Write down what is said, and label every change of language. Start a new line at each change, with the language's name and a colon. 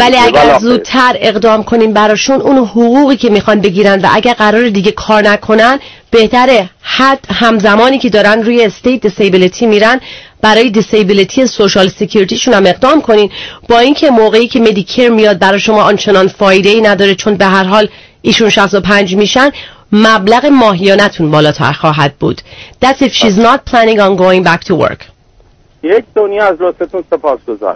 Persian: ولی اگر زودتر اقدام کنیم براشون اون حقوقی که میخوان بگیرن و اگر قرار دیگه کار نکنن بهتره حد همزمانی که دارن روی استیت دیسیبلیتی میرن برای دیسیبلیتی سوشال سکیوریتیشون هم اقدام کنین، با اینکه موقعی که مدیکر میاد برای شما آنچنان فایده ای نداره چون به هر حال ایشون 65 میشن، مبلغ ماهیانتون بالاتر خواهد بود.
English: That's if she's not planning on going back to work.
Persian: یک دنیا از لطفتون سپاسگزارم.